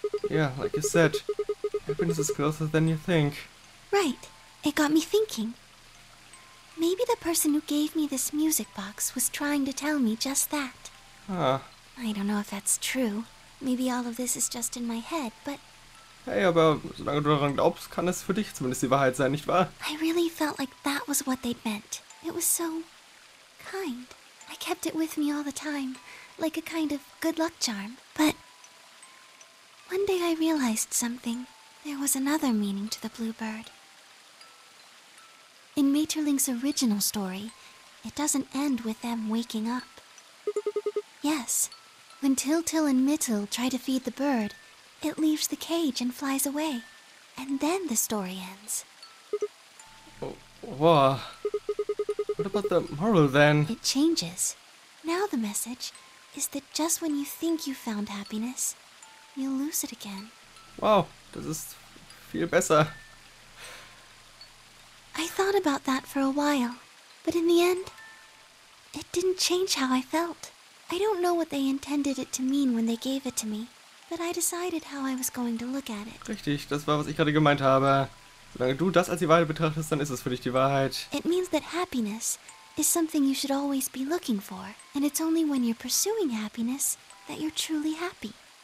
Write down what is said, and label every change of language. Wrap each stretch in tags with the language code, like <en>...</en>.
<en>Yeah, like you said, happiness is closer than you think. Right. It got me thinking. Maybe the person who gave me this music box was trying to tell me just that. Huh. I don't know if that's true. Maybe all of this is just in my head, but...</en> <de>Hey, aber solange du daran glaubst, kann es für dich zumindest die Wahrheit sein, nicht wahr?</de> <en>I really felt like that was what they'd meant. It was so... kind. I kept it with me all the time, like a kind of good luck charm. But... one day I realized something. There was another meaning to the bluebird. In Maeterlinck's original story, it doesn't end with them waking up. Yes, when Tiltal and Mytyl try to feed the bird, it leaves the cage and flies away. And then the story ends. Whoa. What about the moral then? It changes. Now the message is that just when you think you found happiness, you'll lose it again.</en> <de>Wow, das ist viel besser.</de> <en>I thought about that for a while, but in the end, it didn't change how I felt. I don't know what they intended it to mean when they gave it to me, but I decided how I was going to look at it.</en> <de>Richtig, das war, was ich gerade gemeint habe. Solange du das als die Wahrheit betrachtest, dann ist es für dich die Wahrheit.</de> <en>It means that happiness is something you should always be looking for, and it's only when you're pursuing happiness that you're truly happy.</en>